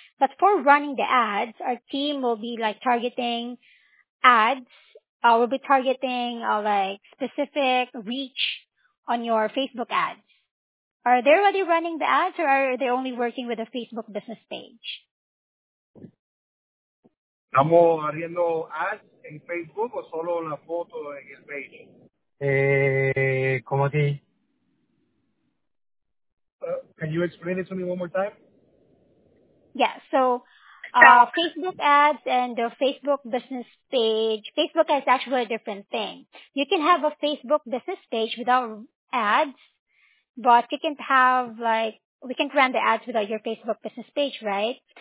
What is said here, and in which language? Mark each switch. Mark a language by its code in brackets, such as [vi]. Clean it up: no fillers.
[en] But for running the ads, our team will be like targeting ads. We'll be targeting specific reach on your Facebook ads. Are they already running the ads, or are they only working with a Facebook business page? [es] Estamos haciendo ads en Facebook o solo la foto en el page? ¿Cómo así? [en] Can you explain it to me one more time? Yeah, so Facebook ads and the Facebook business page. Facebook ads is actually a different thing. You can have a Facebook business page without ads, but you can't have we can't run the ads without your Facebook business page, right?